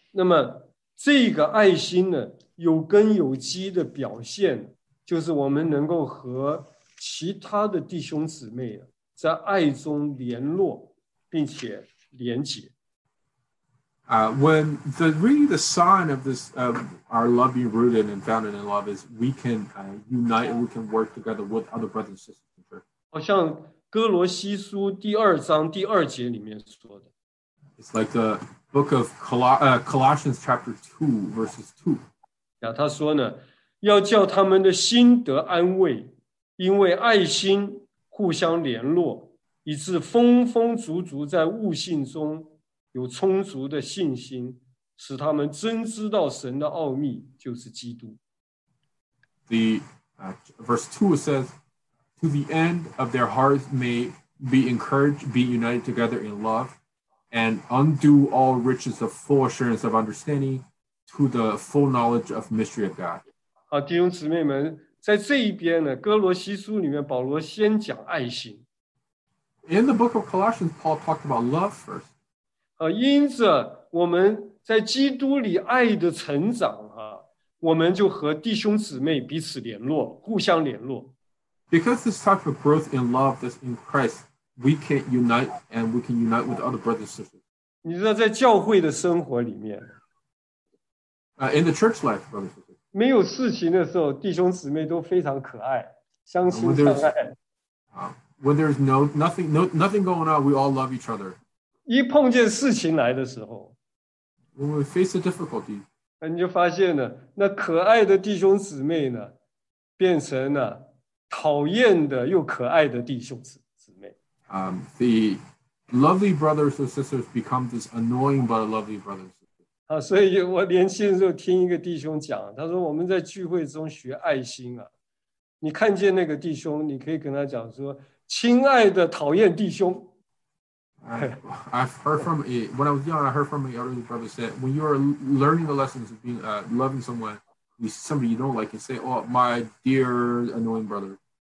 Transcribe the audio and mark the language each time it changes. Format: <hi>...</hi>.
<zh>那么这个爱心呢，有根有基的表现，就是我们能够和其他的弟兄姊妹在爱中联络，并且连结。</zh> <en>When the really the sign of this of our love being rooted and founded in love is we can unite and we can work together with other brothers and sisters.</en> <zh>好像哥罗西书第二章第二节里面说的。</zh> <en>It's like the book of Colossians chapter 2, verses 2.</en> <zh>Yeah, 他说呢，要叫他们的心得安慰，因为爱心互相联络，以致丰丰足足在悟性中。有充足的信心，使他们真知道神的奥秘，就是基督。</zh> <en>The verse 2 says, "To the end of their hearts may be encouraged, be united together in love, and undo all riches of full assurance of understanding to the full knowledge of mystery of God."</en> <zh>好，弟兄姊妹们，在这一边呢，哥罗西书里面，保罗先讲爱心。</zh> <en>In the book of Colossians, Paul talked about love first.</en> <zh>因着我们在基督里爱的成长啊，我们就和弟兄姊妹彼此联络，互相联络。</zh> <en>Because this type of growth in love that's in Christ, we can unite and we can unite with other brothers and sisters.</en> <zh>你知道在教会的生活里面</zh> <en>In the church life, brothers and sisters.</en> <zh>没有事情的时候，弟兄姊妹都非常可爱，相亲相爱。</zh> <en>When there's nothing going on, we all love each other.</en> <zh>一碰见事情来的时候</zh> <en>When we face a difficulty,</en> <zh>你就发现了那可爱的弟兄姊妹呢变成了讨厌的又可爱的弟兄姊妹。</zh> <en>The lovely brothers and sisters become this annoying but lovely brothers and sisters.</en> <zh>所以我年轻的时候听一个弟兄讲，他说我们在聚会中学爱心啊，你看见那个弟兄，你可以跟他讲说，亲爱的讨厌弟兄。</zh> <en>I've heard from a, when I was young, I heard from an elderly brother said, when you are learning the lessons of being loving someone, somebody you don't like, you say, oh, my dear annoying brother.</en>